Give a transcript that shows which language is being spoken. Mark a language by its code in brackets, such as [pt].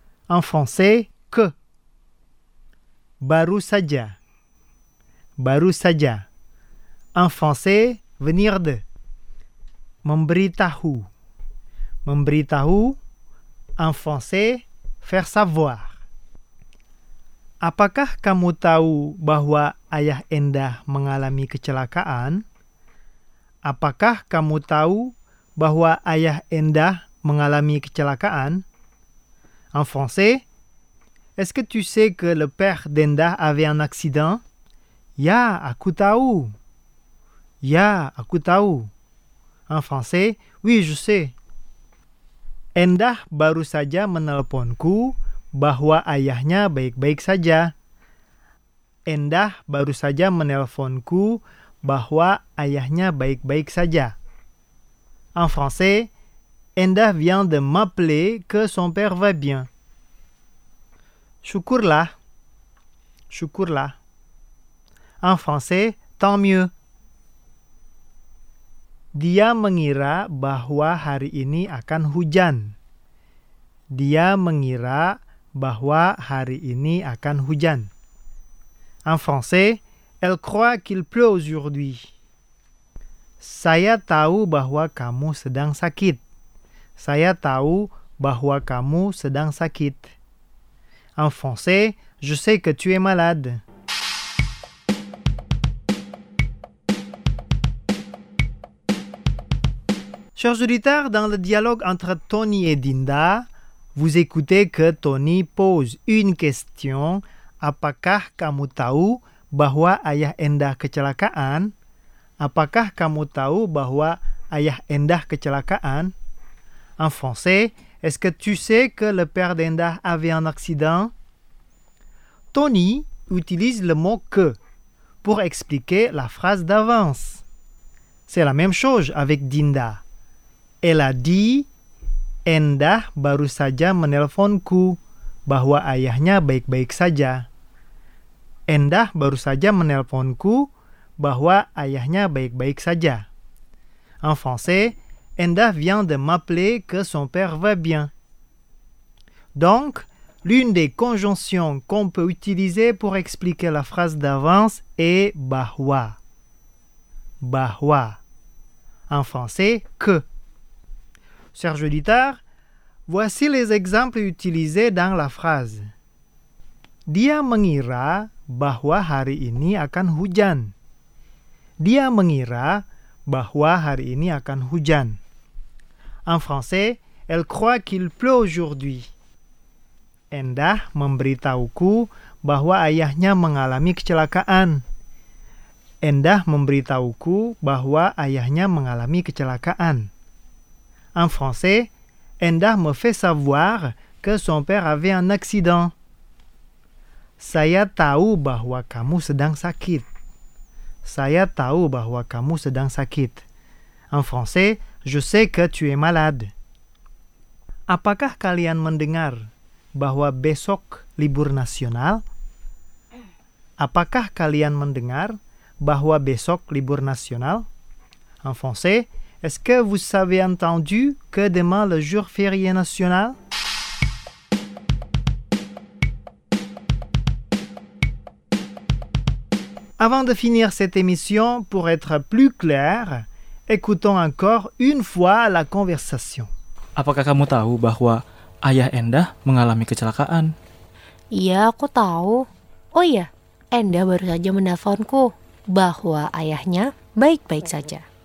[fr] En français, que. [id] Baru saja. Baru saja. [fr] En français, venir de. [id] Memberitahu. Memberitahu. [fr] En français, faire savoir. [id] Apakah kamu tahu bahwa ayah Endah mengalami kecelakaan? Apakah kamu tahu bahwa ayah Endah mengalami kecelakaan? [fr] En français, est-ce que tu sais que le père d'Endah avait un accident? [id] Ya, aku tahu. Ya, aku tahu. [fr] En français, oui, je sais. [id] Endah baru saja menelponku bahwa ayahnya baik-baik saja. Endah baru saja menelponku bahwa ayahnya baik-baik saja. [fr] En français, Endah vient de m'appeler que son père va bien. [id] Syukurlah. Syukurlah. [fr] En français, tant mieux. [id] Dia mengira bahwa hari ini akan hujan. Dia mengira bahwa hari ini akan hujan. [fr] En français, elle croit qu'il pleut aujourd'hui. [id] Saya tahu bahwa kamu sedang sakit. Saya tahu bahwa kamu sedang sakit. [fr] En français, je sais que tu es malade. Chers auditeurs, dans le dialogue entre Tony et Dinda, vous écoutez que Tony pose une question. [id] Apakah kamu tahu bahwa ayah Endah kecelakaan? apakah kamu tahu bahwa ayah Endah kecelakaan? [fr] En français, est-ce que tu sais que le père d'Endah avait un accident? Tony utilise le mot que pour expliquer la phrase d'avance. C'est la même chose avec Dinda. Elle a dit [id] Endah baru saja menelponku bahwa ayahnya baik-baik saja. Endah baru saja menelponku bahwa ayahnya baik-baik saja. [fr] En français, Endah vient de m'appeler que son père va bien. Donc, l'une des conjonctions qu'on peut utiliser pour expliquer la phrase d'avance est bahwa. Bahwa. En français, que. Serge Littard, voici les exemples utilisés dans la phrase. [id] Dia mengira bahwa hari ini akan hujan. Dia mengira bahwa hari ini akan hujan. [fr] En français, elle croit qu'il pleut aujourd'hui. [id] Endah memberitahuku bahwa ayahnya mengalami kecelakaan. Endah memberitahuku bahwa ayahnya mengalami kecelakaan. [fr] En français, Endah me fait savoir que son père avait un accident. [id] Saya tahu bahwa kamu sedang sakit. Saya tahu bahwa kamu sedang sakit. [fr] En français, je sais que tu es malade. [id] Apakah kalian mendengar bahwa besok libur nasional? Apakah kalian mendengar bahwa besok libur nasional? [fr] En français, est-ce que vous avez entendu que demain le jour férié national? Avant de finir cette émission, pour être plus clair, écoutons encore une fois la conversation. [id] Apakah kamu tahu bahwa ayah Endah mengalami kecelakaan? Iya, aku tahu. Oh iya, Endah baru saja menelponku bahwa ayahnya baik-baik saja.